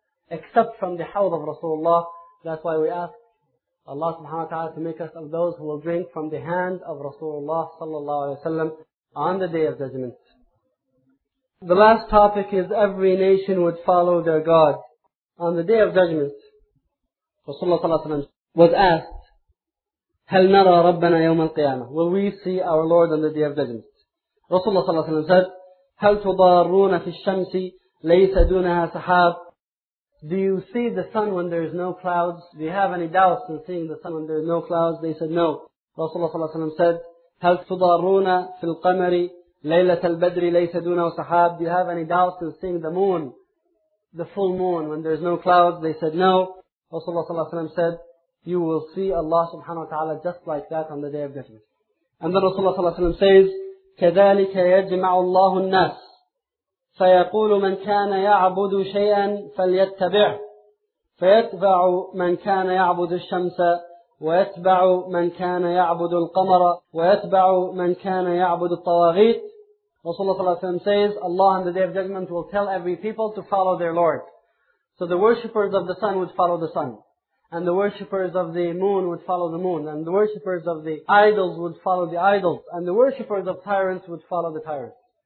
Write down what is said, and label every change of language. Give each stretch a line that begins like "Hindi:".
English: Except from the hawd of Rasulullah. That's why we ask Allah subhanahu wa ta'ala to make us of those who will drink from the hand of Rasulullah sallallahu alayhi wa sallam on the Day of Judgment. The last topic is every nation would follow their God. On the Day of Judgment, Rasulullah sallallahu alayhi wa sallam was asked,
Arabic: هَلْ نَرَى رَبَّنَا يَوْمَ الْقِيَامَةِ.
English: Will we see our Lord on the Day of Judgment? Rasulullah sallallahu alayhi wa sallam said,
Arabic: هَلْ تُضَارُونَ فِي الشَّمْسِ لَيْسَ دُونَهَا سَحَابٍ.
English: Do you see the sun when there is no clouds? Do you have any doubts in seeing the sun when there is no clouds? They said, no. Rasulullah sallallahu alayhi wa sallam said,
Arabic: هَلْ تُضَارُونَ فِي الْقَمَرِ لَيْلَةَ الْبَدْرِ لَيْسَ دُونَهُ سَحَابٍ.
English: Do you have any doubts in seeing the moon, the full moon, when there is no clouds? They said, no. Rasulullah sallallahu alayhi wa sallam said, you will see Allah subhanahu wa ta'ala just like that on the Day of Judgment. And then Rasulullah sallallahu alayhi wa sallam says,
Arabic: كَذَلِكَ يَجْمَعُ اللَّهُ النَّاسِ فَيَقُولُ مَنْ كَانَ يَعْبُدُ شَيْئًا فَلْيَتَّبِعْ فَيَتْبَعُ مَنْ كَانَ يَعْبُدُ الشَّمْسَ وَيَتْبَعُ مَنْ كَانَ يَعْبُدُ الْقَمَرَ وَيَتْبَعُ مَنْ كَانَ يَعْبُدُ الطَّوَاغِيتِ.
English: Rasulullah sallallahu alayhi wa sallam says, Allah on the Day of Judgment will tell every people to follow their Lord. So the worshippers of the sun would follow the sun. And the worshippers of the moon would follow the moon. And the worshippers of the idols would follow the idols. And the worshippers of tyrants would follow the tyrants.